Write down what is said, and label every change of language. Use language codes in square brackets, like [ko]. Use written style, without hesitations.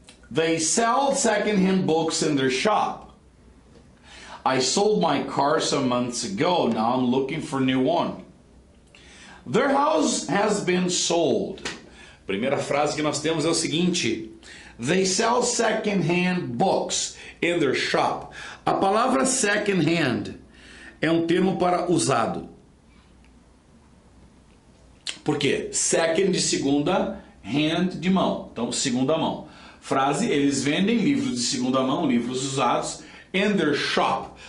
[en] They sell secondhand books in their shop. I sold my car some months ago. Now I'm looking for a new one. Their house has been sold. [pt] Primeira frase que nós temos é o seguinte. [en] They sell second-hand books in their shop. [pt] A palavra second-hand é um termo para usado. Por quê? Second de segunda, hand de mão. Então, segunda mão. Frase, eles vendem livros de segunda mão, livros usados, [en] in their shop.